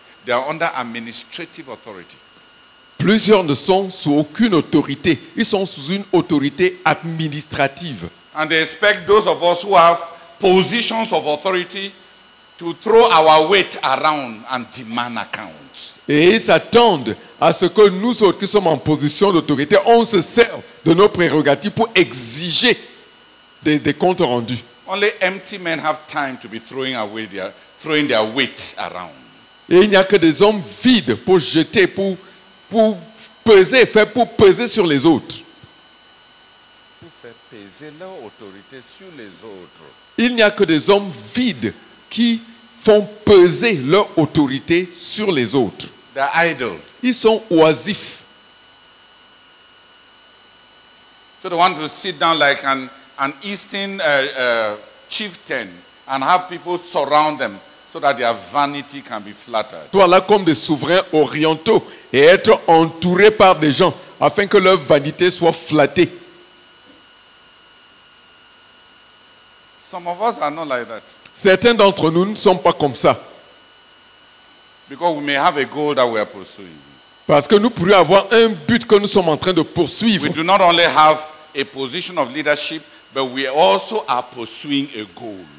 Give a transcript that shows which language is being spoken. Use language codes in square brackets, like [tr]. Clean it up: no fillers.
[en] They are under administrative authority. [fr] Plusieurs ne sont sous aucune autorité. Ils sont sous une autorité administrative. [en] And they expect those of us who have positions of authority to throw our weight around and demand accounts. [fr] Et ils s'attendent à ce que nous autres qui sommes en position d'autorité, on se serve de nos prérogatives pour exiger des comptes rendus. [en] Only empty men have time to be throwing away their weight around. [fr] Et il n'y a que des hommes vides pour jeter, pour peser, faire pour peser sur les autres. Pour faire peser leur autorité sur les autres. Il n'y a que des hommes vides qui font peser leur autorité sur les autres. [en] They're idle. [fr] Ils sont oisifs. [en] So they want to sit down like an eastern chieftain and have people surround them so that their vanity can be flattered. [fr] Voilà comme des souverains orientaux et être entouré par des gens afin que leur vanité soit flattée. [en] Some of us are not like that. [fr] Certains d'entre nous ne sont pas comme ça. [en] Because we may have a goal that we are pursuing. [fr] Parce que nous pourrions avoir un but que nous sommes en train de poursuivre. [en] We do not only have a position of leadership, but we also are pursuing a goal.